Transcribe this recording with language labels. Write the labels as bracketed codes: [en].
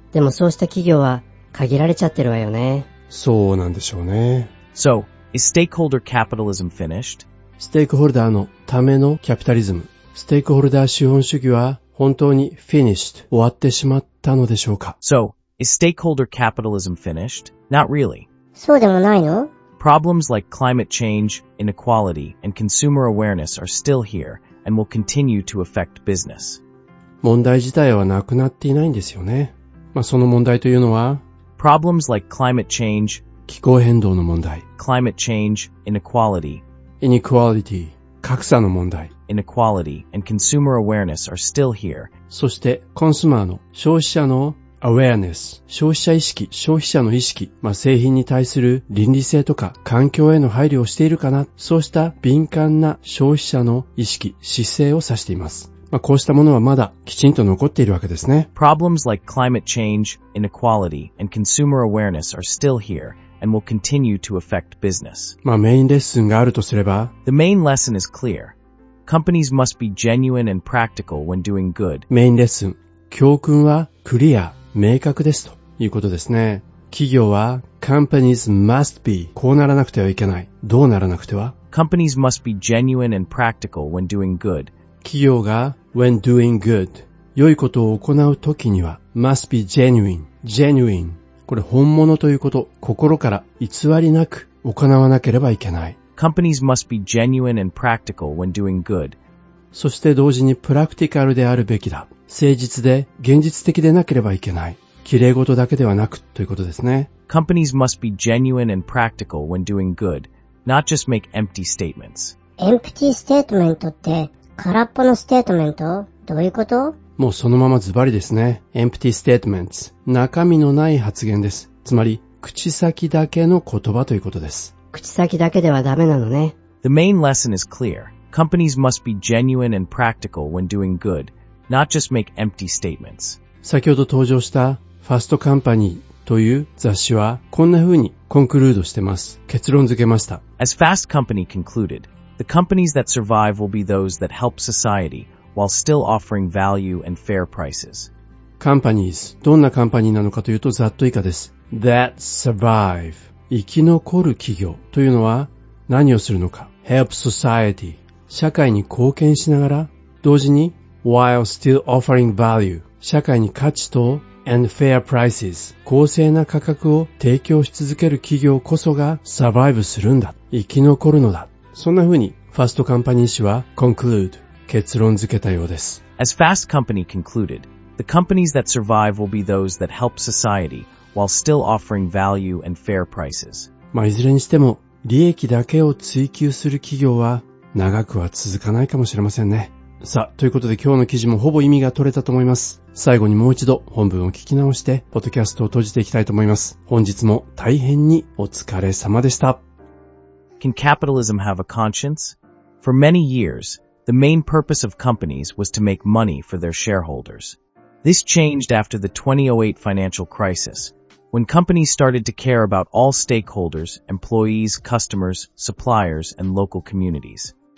[ja] でもそうした企業は限られちゃってるわよね。そうなんでしょうね。 [en] So, is stakeholder capitalism finished? ステークホルダーのためのキャピタリズム、ステークホルダー資本主義は本当に finished、終わってしまったのでしょうか? So, is stakeholder capitalism finished? Not really. [ja] そうでもないの? [en] Problems like climate change, inequality, and consumer awareness are still here and will continue to affect business. [ja] 問題自体はなくなっていないんですよね。まあ、その問題というのは [en] Problems like climate change [ja] 気候変動の問題 [en] Climate change, inequality [ja] Inequality 格差の問題 [en] Inequality and consumer awareness are still here [ja] そしてコンスマーの消費者の awareness 消費者意識、消費者の意識、まあ、製品に対する倫理性とか環境への配慮をしているかなそうした敏感な消費者の意識、姿勢を指していますまあ、こうしたものはまだきちんと残っているわけですね。 [en] Problems like climate change, inequality, and consumer awareness are still here and will continue to affect business. [ja] まあメインレッスンがあるとすれば [en] The main lesson is clear. Companies must be genuine and practical when doing good. [ja] メインレッスン。教訓はクリア、明確ですということですね。企業は [en] Companies must be [ja] こうならなくてはいけない。どうならなくては [en] Companies must be genuine and practical when doing good. [ja] 企業が [en] when doing good [ja] 良いことを行うときには [en] must be genuine genuine [ja] これ本物ということ心から偽りなく行わなければいけない [en] Companies must be genuine and practical when doing good [ja] そして同時にプラクティカルであるべきだ誠実で現実的でなければいけない綺麗事だけではなくということですね [en] Companies must be genuine and practical when doing good not just make empty statements Empty statement [ja] って空っぽのステートメント? どういうこと? もうそのままズバリですね。 [en] Empty statements。 [ja] 中身のない発言です。つまり、口先だけの言葉ということです。口先だけではダメなのね。 [en] The main lesson is clear. Companies must be genuine and practical when doing good, not just make empty statements. [ja] 先ほど登場したファストカンパニーという雑誌はこんな風にコンクルードしてます。結論付けました。 [en] As Fast Company concluded,The companies that survive will be those that help society while still offering value and fair prices. [ja] Companies, どんなカンパニーなのかというとざっと以下です。 [en] That survive, [ja] 生き残る企業というのは何をするのか。 [en] Help society, [ja] 社会に貢献しながら同時に [en] while still offering value, [ja] 社会に価値と [en] and fair prices, [ja] 公正な価格を提供し続ける企業こそが survive するんだ。生き残るのだ。そんな風にファーストカンパニー氏は conclude 結論付けたようです。 [en] As Fast Company concluded, the companies that survive will be those that help society while still offering value and fair prices. [ja] まあいずれにしても利益だけを追求する企業は長くは続かないかもしれませんね。さあということで今日の記事もほぼ意味が取れたと思います。最後にもう一度本文を聞き直してポッドキャストを閉じていきたいと思います。本日も大変にお疲れ様でした。 [en] Can capitalism have a conscience? For many years, the main purpose of companies was to make money for their shareholders. This changed after the 2008 financial crisis, when companies started to care about all stakeholders, employees, customers, suppliers, and local communities.